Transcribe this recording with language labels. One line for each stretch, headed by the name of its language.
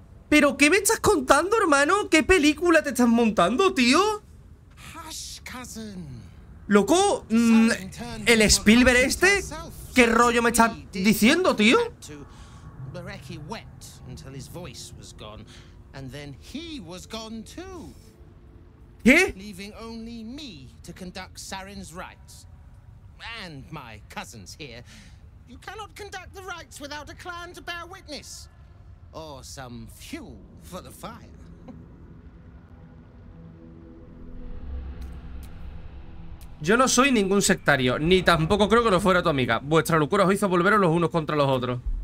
Spanish: ¿Pero qué me estás contando, hermano? ¿Qué película te estás montando, tío?
English: Hush, cousin.
Spanish: Loco, el Spielberg este, ¿qué rollo me está diciendo, tío?
English: Bereki wept until his voice was gone, and then he was gone too. ¿Qué? Leaving only me to conduct Sarin's rites and my cousins here. You cannot conduct the rites without a clan to bear witness or some fuel for the fire.
Spanish: Yo no soy ningún sectario, ni tampoco creo que lo fuera tu amiga. Vuestra locura os hizo volveros los unos contra los otros.